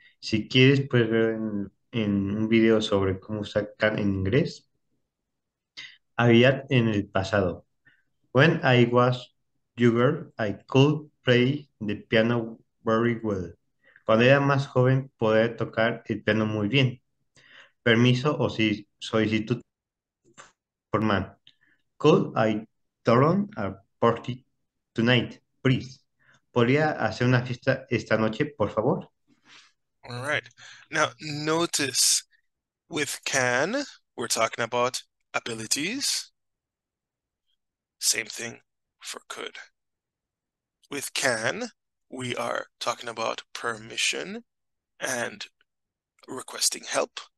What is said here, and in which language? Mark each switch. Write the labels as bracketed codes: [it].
[es] Si quieres, puedes ver en un video sobre cómo usar can en inglés. Había en el pasado. [en] When I was younger, I could play the piano very well. [es] Cuando era más joven, podía tocar el piano muy bien. Permiso o si solicitud formal. [en] Could I turn a party tonight, please? [es] ¿Podría hacer una fiesta esta noche, por favor? [en] All right. Now, notice with can, we're talking about abilities. Same thing for could. With can, we are talking about permission and requesting help.